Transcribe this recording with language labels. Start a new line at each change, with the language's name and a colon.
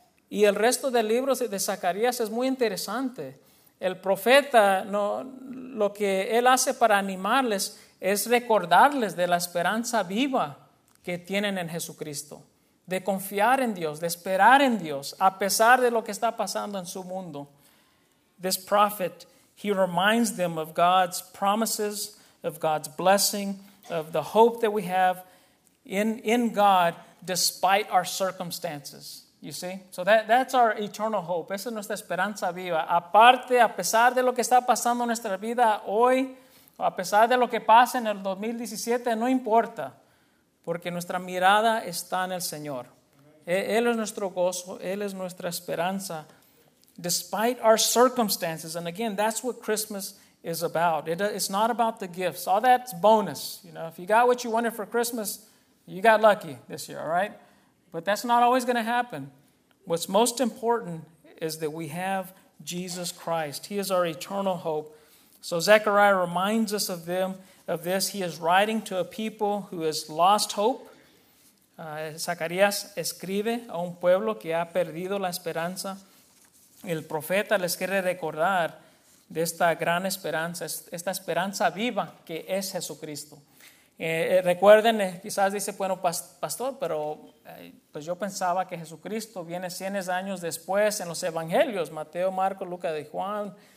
Spanish: Y el resto del libro de Zacarías es muy interesante. El profeta, no, lo que él hace para animarles es recordarles de la esperanza viva que tienen en Jesucristo. De confiar en Dios, de esperar en Dios, a pesar de lo que está pasando en su mundo.
English: This prophet, he reminds them of God's promises, of God's blessing, of the hope that we have in God despite our circumstances. You see? So that's our eternal hope.
Spanish: Esa es nuestra esperanza viva. Aparte, a pesar de lo que está pasando en nuestra vida hoy, a pesar de lo que pasa en el 2017, no importa. Porque nuestra mirada está en el Señor. Él es nuestro gozo. Él es nuestra esperanza.
English: Despite our circumstances, and again, that's what Christmas is about. It's not about the gifts. All that's bonus. You know, if you got what you wanted for Christmas, you got lucky this year, all right? But that's not always going to happen. What's most important is that we have Jesus Christ. He is our eternal hope. So Zechariah reminds us of this. He is writing to a people who has lost hope.
Spanish: Zacarías escribe a un pueblo que ha perdido la esperanza. El profeta les quiere recordar de esta gran esperanza, esta esperanza viva que es Jesucristo. Recuerden, quizás dice, bueno, pastor, pero pues yo pensaba que Jesucristo viene cientos de años después en los evangelios, Mateo, Marcos, Lucas y Juan.